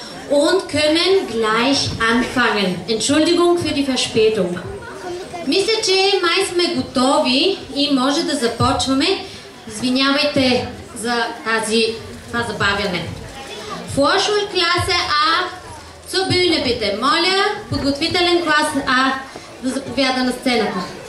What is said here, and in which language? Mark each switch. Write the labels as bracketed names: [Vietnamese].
[German] Und können gleich anfangen. Entschuldigung für die Verspätung. [Bulgarian] Мисля, че май сме готови и може да започваме. Извинявайте за тази забавяне. [German] Vorschulklasse A, zur Bühne bitte. [Bulgarian] Моля, подготвителен клас A да заповяда на сцената.